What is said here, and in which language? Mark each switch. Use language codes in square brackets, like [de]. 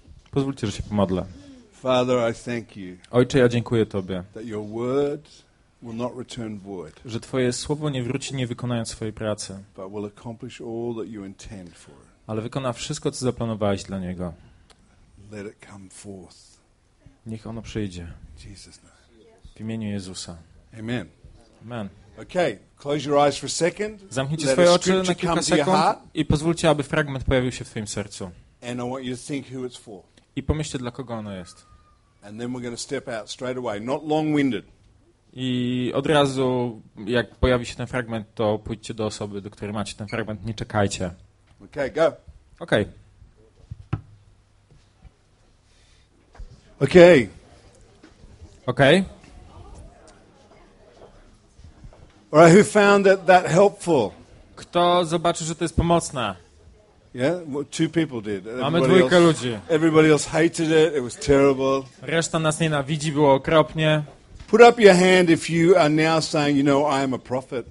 [pl] Pozwólcie, że się pomodlę. [en] Father, I thank you. [pl] Ojcze, ja dziękuję Tobie. [en] That your word will not return void. [pl] Że Twoje słowo nie wróci, nie wykonając swojej pracy. [en] But will accomplish all that you intend for it. [pl] Ale wykona wszystko, co zaplanowałeś dla niego. [en] Let it come forth. [pl] Niech ono przyjdzie. [en] Jesus. [pl] W imieniu Jezusa. [en] Amen. [pl] Amen. [en] Okay, close your eyes for a second. [pl] Zamknijcie swoje oczy na kilka sekund i pozwólcie, aby fragment pojawił się w Twoim sercu. [en] And I want you to think who it's for. [pl] I pomyślcie, dla kogo ono jest. [en] And then we're going to step out straight away, not long-winded. [pl] I od razu, jak pojawi się ten fragment, to pójdźcie do osoby, do której macie ten fragment, nie czekajcie. [en] Okay, go. Okay. Okay. Okay. All right, who found that helpful? [pl] Kto zobaczy, że to jest pomocne? [en] Yeah, well, two people did. [pl] Mamy dwójkę [en] else, [pl] ludzi. [en] Everybody else hated it. It was terrible. [pl] Reszta nas nienawidzi, było okropnie. [en] Put up your hand if you are now saying, you know, I am a prophet.